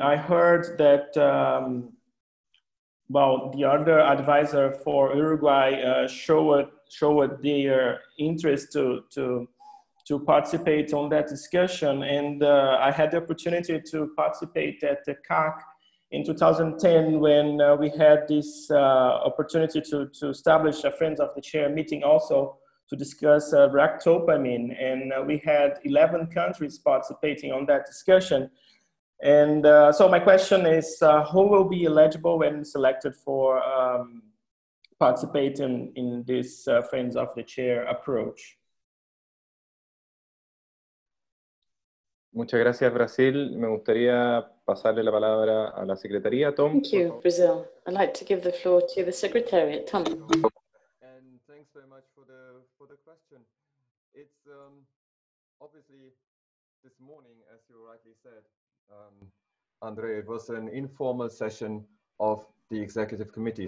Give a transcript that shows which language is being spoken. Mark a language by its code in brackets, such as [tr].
[en] I heard that the other advisor for Uruguay showed their interest to participate on that discussion, and I had the opportunity to participate at the CAC in 2010 when we had this opportunity to establish a Friends of the Chair meeting also to discuss ractopamine, and we had 11 countries participating on that discussion. And so my question is, who will be eligible when selected for participating in this Friends of the Chair approach? [es] Muchas gracias, Brasil. Me gustaría pasarle la palabra a la secretaría, Tom. [en] Thank you, Brazil. I'd like to give the floor to the secretariat, Tom. And thanks very much for the question. It's obviously this morning, as you rightly said, Andre, it was an informal session of the executive committee.